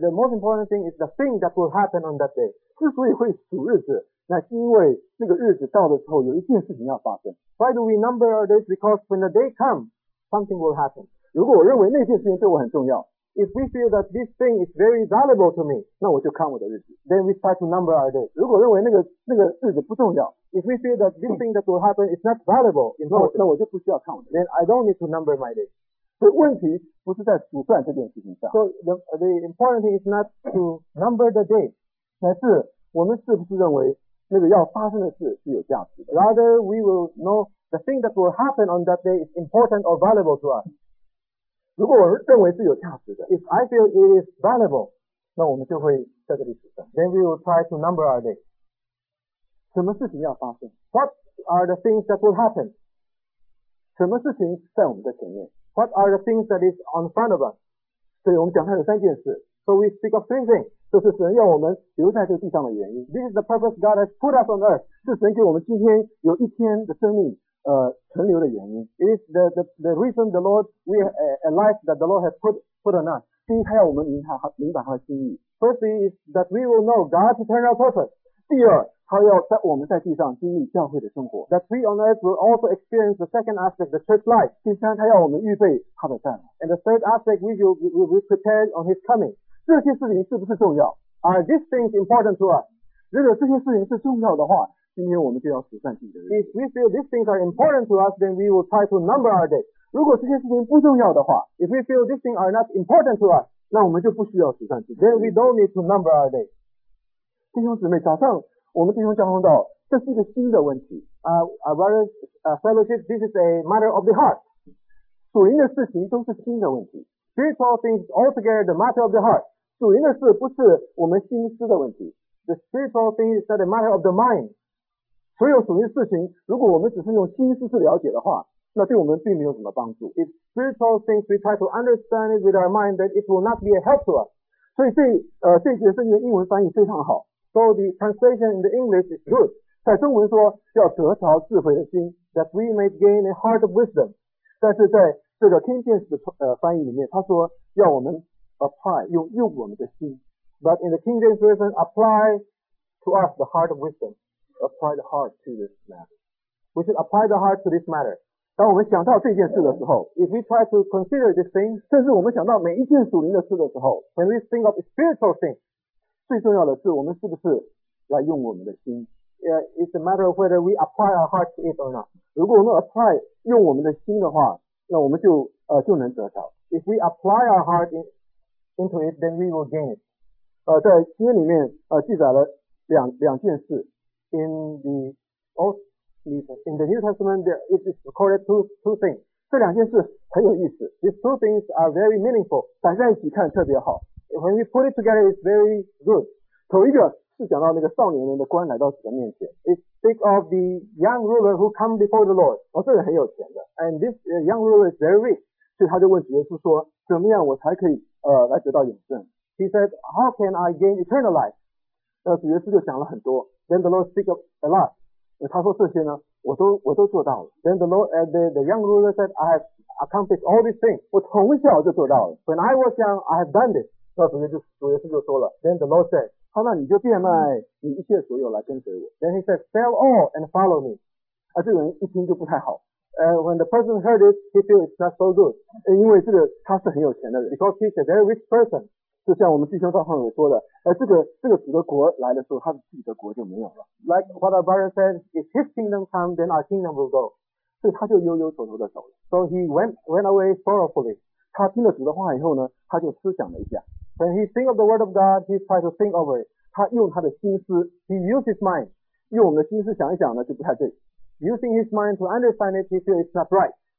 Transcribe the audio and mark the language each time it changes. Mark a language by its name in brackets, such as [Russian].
[English] The most important thing is the thing that will happen on that day. [Chinese] 之所以会数日子，乃是因为那个日子到的时候有一件事情要发生。 [English] Why do we number our days? Because when the day comes, something will happen. [Chinese] 如果我认为那件事情对我很重要 [English] ，If we feel that this thing is very valuable to me, [Chinese] 那我就count我的日子。 [English] Then we start to number our days. [Chinese] 如果认为那个日子不重要。 [English] If we feel that this thing that will happen is not valuable, [Chinese] then 我就不需要 count. [English] Then I don't need to number my days. [Chinese] 所以问题不是在数算这件事情上。 [English] So the important thing is not to number the day, [Chinese] 乃是我们是不是认为那个要发生的事是有价值的。 [English] Rather, we will know the thing that will happen on that day is important or valuable to us. [Chinese] 如果我认为是有价值的 [English] ，If I feel it is valuable, [Chinese] 那我们就会在这里数算。 [English] Then we will try to number our days. [Chinese] 什么事情要发生 [English] ？What are the things that will happen？ [Chinese] 什么事情在我们的前面 [English] ？What are the things that is on front of us？ [Chinese] 所以我们讲它有三件事。 [English] So we speak of three things。 [Chinese] 这是神要我们留在这个地上的原因。 [English] This is the purpose God has put us on earth。 [Chinese] 是神给我们今天有一天的生命，存留的原因。 [English] It is the reason the Lord we a life that the Lord has put on us。 [Chinese] 第一，他要我们明白他的心意。 [English] Firstly is that we will know God's eternal purpose。 [Chinese] 第二。他要在我们在地上经历教会的生活。 [English] That we on earth will also experience the second aspect, the church life. [Chinese] 第三，他要我们预备他的再来。 [English] And the third aspect, we will be prepared on his coming. [Chinese] 这些事情是不是重要 [English] ？Are these things important to us? [Chinese] 如果这些事情是重要的话，今天我们就要数算自己的日子。 [English] If we feel these things are important to us, then we will try to number our days. [Chinese] 如果这些事情不重要的话 [English] ，If we feel these things are not important to us, [Chinese] 那我们就不需要数算自己的日子。 [English] Then we don't need to number our days. [Chinese] 弟兄姊妹，早上。我们弟兄交通道，这是一个新的问题。 [English] brothers, fellowship, this is a matter of the heart. [Chinese] 属灵的事情都是心的问题。 [English] Spiritual things altogether the matter of the heart. [Chinese] 属灵的事不是我们心思的问题。 [English] The spiritual things are the matter of the mind. [Chinese] 所有属灵的事情，如果我们只是用心思去了解的话，那对我们并没有什么帮助。 [English] If spiritual things we try to understand it with our mind, then it will not be a help to us. [Chinese] 所以这节圣经的英文翻译非常好。 [English] So the translation in the English is good. [Chinese] 在中文说要得着智慧的心 [English] ，that we may gain a heart of wisdom. [Chinese] 但是在这个 King James 的翻译里面，他说要我们 apply 用我们的心。 [English] But in the King James version, apply to us the heart of wisdom. Apply the heart to this matter. We should apply the heart to this matter. [Chinese] 当我们想到这件事的时候 [English] ，if we try to consider this thing， [Chinese] 甚至我们想到每一件属灵的事的时候 [English] ，when we think of spiritual things， [Chinese] 最重要的是我们是不是来用我们的心。 [English] It's a matter of whether we apply our heart to it or not。 [Chinese] 如果我们 apply 用我们的心的话，那我们就能得着。 [English] If we apply our heart into it， then we will gain it。 [Chinese] 在新约里面记载了两件事 [English] ，in the old。 In the New Testament, there it is recorded two things. [Chinese] 这两件事很有意思。 [English] These two things are very meaningful. [Chinese] 摆在一起看特别好。 [English] When we put it together, it's very good. [Chinese] 头一个是讲到那个少年人的官来到主的面前。 [English] It speaks of the young ruler who come before the Lord. [Chinese] 这人很有钱的。 [English] And this young ruler is very rich. [Chinese] 所以他就问主耶稣说，怎么样我才可以来得到永生 [English] ？He said, "How can I gain eternal life?" [Chinese] 主耶稣就讲了很多。 [English] Then the Lord speaks a lot. [Chinese] 他说这些呢我都做到了。 [English] Then the Lord, the young ruler said, I have accomplished all these things. [Chinese] 我从小就做到了。 [English] When I was young, I have done this. [Chinese] 那主耶稣就说了。 [English] Then the Lord said, [Chinese] 好那你就变卖你一切所有来跟随我。 [English] Then he said, sell all and follow me. [Chinese] 这人一听就不太好。 [English] When the person heard it, he feel it's not so good. [Chinese] 因为这个他是很有钱的人。 [English] Because he's a very rich person. [Chinese] 就像我们弟兄赵汉伟说的，这个主的国来的时候，他自己的国就没有了。 [English] Like what our brother said, if his kingdom comes, then our kingdom will go. [Chinese] 所以他就悠悠愁愁的走了。 [English] So he went away sorrowfully. [Chinese] 他听了主的话以后呢，他就思想了一下。 [English] When he think of the word of God, he tried to think over it. [Chinese] 他用他的心思 [English] ，he used his mind. [Chinese] 用我们的心思想一想呢，就不太对。 [English] Using his mind to understand it, he feel it's not right.